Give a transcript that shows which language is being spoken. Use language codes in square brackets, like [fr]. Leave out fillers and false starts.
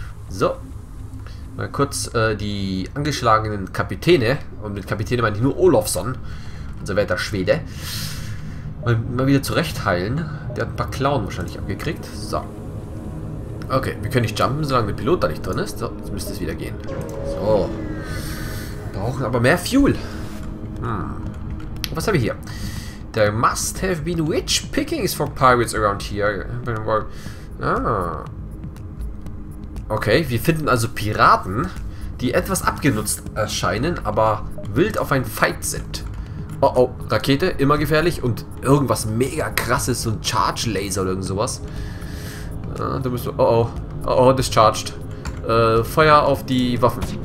[de] So, mal kurz die angeschlagenen Kapitäne, und mit Kapitäne meine ich nur Olofsson, unser werter Schwede, mal wieder zurechtheilen. Der hat ein paar Klauen wahrscheinlich abgekriegt. So, okay, wir können nicht jumpen, solange der Pilot da nicht drin ist. So, jetzt müsste es wieder gehen. So, wir brauchen aber mehr Fuel. Was habe ich hier? [en] There must have been witch pickings for pirates around here. [de] Okay, wir finden also Piraten, die etwas abgenutzt erscheinen, aber wild auf einen Fight sind. Oh, oh, Rakete, immer gefährlich. Und irgendwas mega krasses, so ein Charge Laser oder irgend sowas. Da müssen wir, oh, discharged. Feuer auf die Waffen.